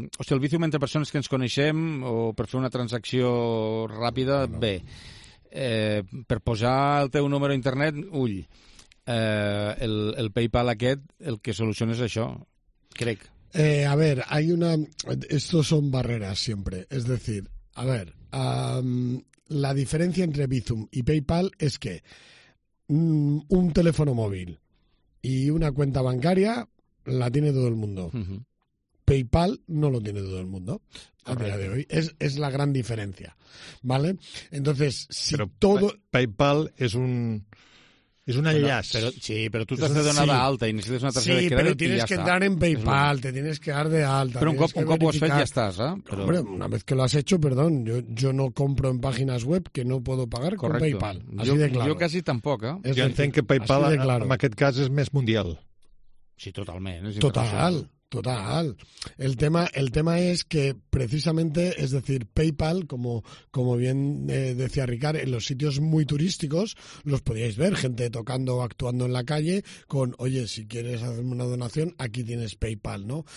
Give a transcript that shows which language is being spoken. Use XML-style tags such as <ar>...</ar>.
<ca>El Bizum entre persones que ens coneixem o per fer una transacció ràpida, no. Bé. Per posar el teu número a internet, ull. El PayPal aquest, el que soluciona és això, crec.</ca> <es>A ver, hay una... Estos son barreras siempre. Es decir, a ver, la diferencia entre Bizum y PayPal es que un teléfono móvil y una cuenta bancaria... La tiene todo el mundo. Uh-huh. PayPal no lo tiene todo el mundo. Correcto. A día de hoy. Es la gran diferencia. ¿Vale? Entonces, si pero todo... PayPal es un...</es> <ca>És un enllaç. Pero, sí, però tu t'has de donar d'alta i necessites una tarjeta sí, de crèdit i ja està.</ca> <es>Sí, però tienes que entrar en PayPal, te tienes que dar de alta.</es> <ca>Però un cop ho has fet, ja estàs. Però...</ca> <es>Hombre, una vez que lo has hecho, perdón, yo no compro en páginas web que no puedo pagar. Correcto. Con PayPal. Así de claro.</es> <ca>Jo quasi tampoc. Jo entenc que PayPal, claro. En aquest cas, és més mundial. Sí, totalment. Total, total.</ca> <es>El tema es que precisamente, es decir, PayPal, como bien decía Ricard, en los sitios muy turísticos los podíais ver, gente tocando o actuando en la calle con, oye, si quieres hacerme una donación, aquí tienes PayPal, ¿no?</es>